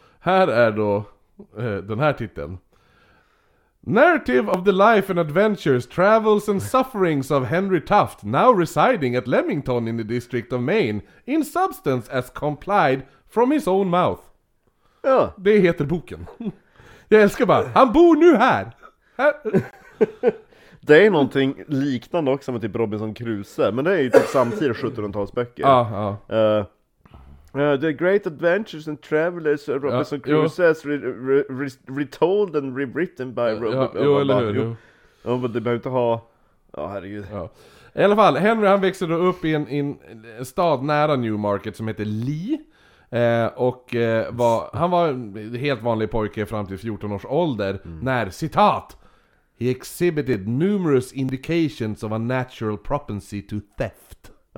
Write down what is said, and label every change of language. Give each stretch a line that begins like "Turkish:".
Swedish: här är då den här titeln:
English: Narrative of the Life and Adventures, Travels and Sufferings of Henry Tufts, now residing at Leamington in the District of Maine, in substance as complied from his own mouth.
Swedish: Ja, det heter boken. Jag älskar bara, han bor nu här! Det är någonting liknande också med typ Robinson Crusoe, men det är ju typ samtidigt 1700-talsböcker. Ja, ja.
English: The Great Adventures and Travelers of Robinson Crusoe is retold and rewritten by Robinson.
Swedish: Ja, det behöver inte ha... Ja, herregud. Ja. I alla fall, Henry han växer då upp i en stad nära Newmarket som heter Lee. Och han var en helt vanlig pojke fram till 14 års ålder när, citat,
English: he exhibited numerous indications of a natural propensity to theft.